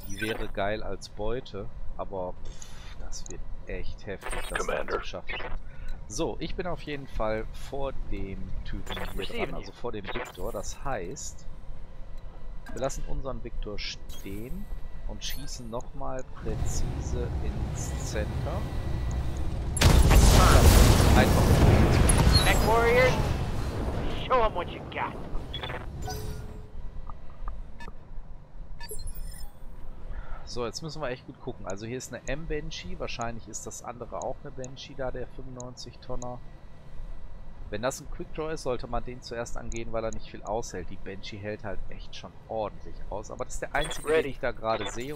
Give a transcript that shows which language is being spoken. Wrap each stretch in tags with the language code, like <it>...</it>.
<de>Die wäre geil als Beute, aber das wird echt heftig, das zu schaffen. So, ich bin auf jeden Fall vor dem Typen hier dran, also vor dem Victor. Das heißt, wir lassen unseren Victor stehen und schießen nochmal präzise ins Center. Einfach.</de> <en>Mech Warrior, show him what you got.</en> <de>So, jetzt müssen wir echt gut gucken. Also hier ist eine M-Banshee. Wahrscheinlich ist das andere auch eine Banshee da, der 95-Tonner. Wenn das ein Quick-Draw ist, sollte man den zuerst angehen, weil er nicht viel aushält. Die Banshee hält halt echt schon ordentlich aus. Aber das ist der einzige, den ich da gerade sehe.</de>